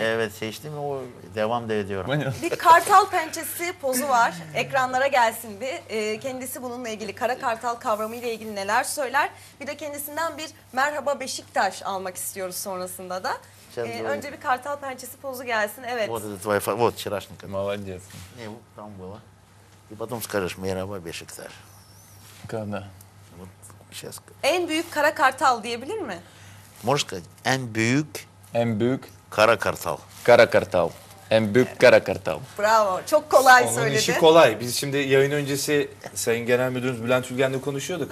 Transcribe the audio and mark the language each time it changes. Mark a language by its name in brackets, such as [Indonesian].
[Turkish] Evet seçtim o devam da ediyorum. Bir kartal pençesi pozu var. Ekranlara gelsin bir. Kendisi bununla ilgili kara kartal kavramı ile ilgili neler söyler? Bir de kendisinden bir merhaba Beşiktaş almak istiyoruz sonrasında da. Önce bir kartal pençesi pozu gelsin. Evet. [Russian] Вот это твой вот вчерашний. Молодец. Не, там было. И потом скажешь [Turkish] merhaba Beşiktaş. [Russian] Когда? Вот сейчас. [Turkish] En büyük kara kartal diyebilir mi? Moşka, en büyük... En büyük... Kara kartal. Kara kartal. En büyük kara kartal. Bravo, çok kolay onun söyledi. Onun işi kolay. Biz şimdi yayın öncesi Sayın Genel Müdürümüz Bülent Ülgen'le konuşuyorduk.